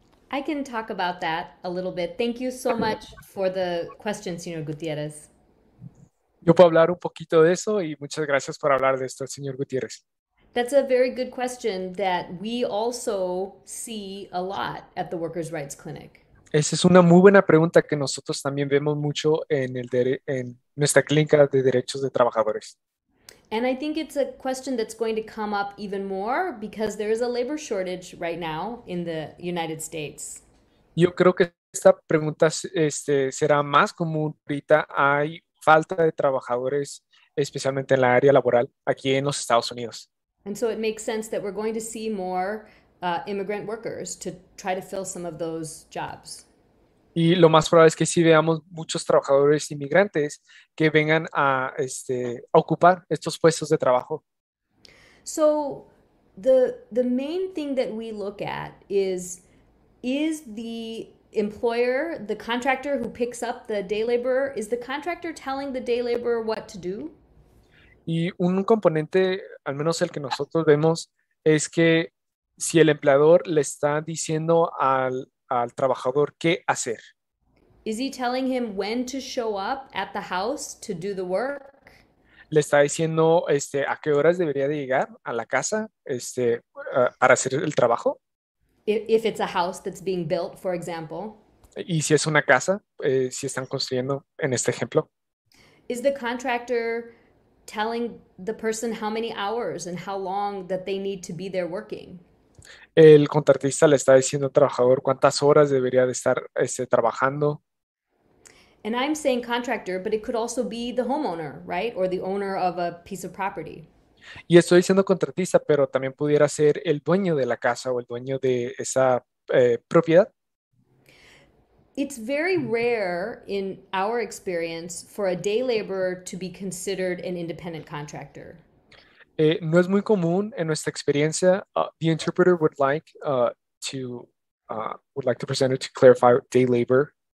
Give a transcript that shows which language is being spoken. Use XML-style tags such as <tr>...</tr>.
<en>I can talk about that a little bit. Thank you so much for the question, Señor Gutiérrez.</en> <es>Yo puedo hablar un poquito de eso y muchas gracias por hablar de esto, Señor Gutiérrez.</es> <en>That's a very good question that we also see a lot at the Workers' Rights Clinic.</en> <es>Esa es una muy buena pregunta que nosotros también vemos mucho en nuestra clínica de derechos de trabajadores.</es> <en>And I think it's a question that's going to come up even more because there is a labor shortage right now in the United States.</en> <es>Yo creo que esta pregunta será más común ahorita. Hay falta de trabajadores, especialmente en la área laboral, aquí en los Estados Unidos.</es> <en>And so it makes sense that we're going to see more immigrant workers to try to fill some of those jobs.</en> <es>Y lo más probable es que sí veamos muchos trabajadores inmigrantes que vengan a ocupar estos puestos de trabajo.</es> <en>So the main thing that we look at is the employer, the contractor who picks up the day laborer, is the contractor telling the day laborer what to do?</en> <es>Y un componente, al menos el que nosotros vemos, es que si el empleador le está diciendo al trabajador qué hacer.</es> <en>Is he telling him when to show up at the house to do the work?</en> <es>Le está diciendo a qué horas debería de llegar a la casa para hacer el trabajo.</es> <en>If it's a house that's being built, for example.</en> <es>Y si es una casa, si están construyendo en este ejemplo.</es> <en>Is the contractor telling the person how many hours and how long that they need to be there working?</en> <es>El contratista le está diciendo al trabajador cuántas horas debería de estar trabajando.</es> <en>And I'm saying contractor, but it could also be the homeowner, right? Or the owner of a piece of property.</en> <es>Y estoy diciendo contratista, pero también pudiera ser el dueño de la casa o el dueño de esa propiedad.</es> <en>It's very rare in our experience for a day laborer to be considered an independent contractor.</en> <es>No es muy común en nuestra experiencia.</es> <en>The interpreter would like to present it to clarify day labor.</en>